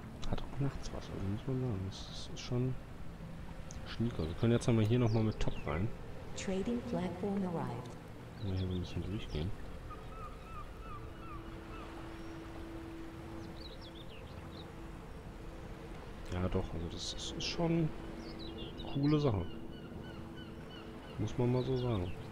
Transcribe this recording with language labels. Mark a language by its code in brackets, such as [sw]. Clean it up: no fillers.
[de] Hat auch nachts was, also muss man sagen. Das ist schon schnieker. Wir können jetzt einmal hier nochmal mit Top rein. [en] Trading Platform arrived. [de] Können wir hier so ein bisschen durchgehen. Ja doch, also das ist schon eine coole Sache. Muss man mal so sagen.